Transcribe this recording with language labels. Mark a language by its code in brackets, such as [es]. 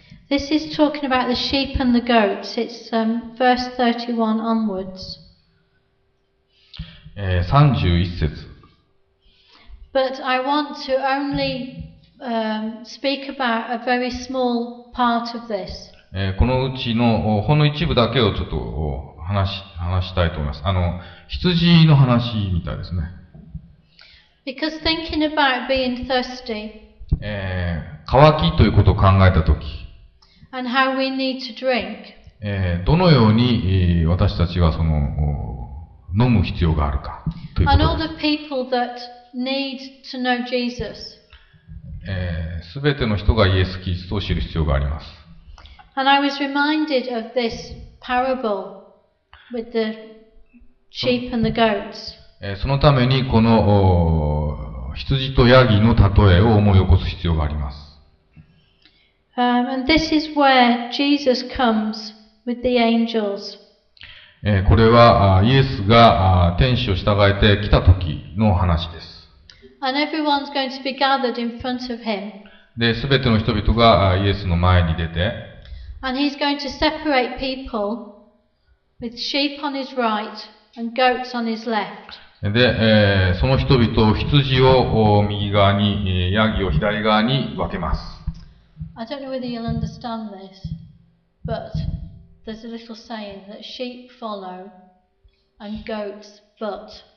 [en] This is talking about the sheep and the goats. It's verse 31 onwards. [ja] 31節。 [en] But I want to only speak about a very small part of this. [ja] このうちのほんの一部だけをちょっと話したいと思います。羊の話みたいですね。 [en] Because thinking about being thirsty. [ja] 渇きということを考えたとき。 [en] And how we need to drink. [ja] どのように私たちはその飲む必要があるかということです。 [en] And all the people that Need to know Jesus. [ja] すべての人がイエス・キリストを知る必要があります。 [en] And I was reminded of this parable with the sheep and the goats. [ja] そのためにこの羊とヤギの例えを思い起こす必要があります。 [en] And this is where Jesus comes with the angels. [ja] これはイエスが天使を従えて来た時の話です。 [en] And everyone's going to be gathered in front of him. [ja] で、すべての人々がイエスの前に出て。 [en] And he's going to separate people with sheep on his right and goats on his left. [ja] で、その人々羊を右側に、ヤギを左側に分けます。 [en] I don't know whether you'll understand this, but there's a little saying that sheep follow and goats butt.